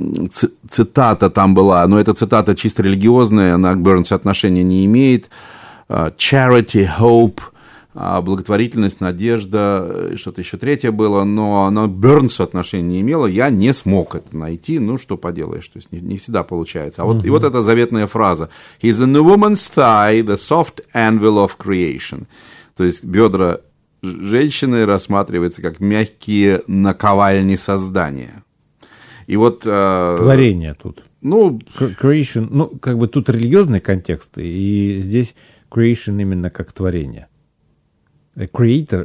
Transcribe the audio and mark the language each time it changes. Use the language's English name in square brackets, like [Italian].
[Russian] цитата там была, но эта цитата чисто религиозная, она к Бёрнсу отношения не имеет. Charity, hope, благотворительность, надежда, что-то еще третье было, но она к Бёрнсу отношения не имела, я не смог это найти, ну, что поделаешь, то есть не всегда получается. А вот, mm-hmm. и вот эта заветная фраза. [English] He's in the woman's thigh, the soft anvil of creation. [Russian] То есть бедра женщины рассматриваются как мягкие наковальни создания. И вот... Творение тут. Ну... Creation, ну, как бы тут религиозный контекст, и здесь creation именно как творение. A creator...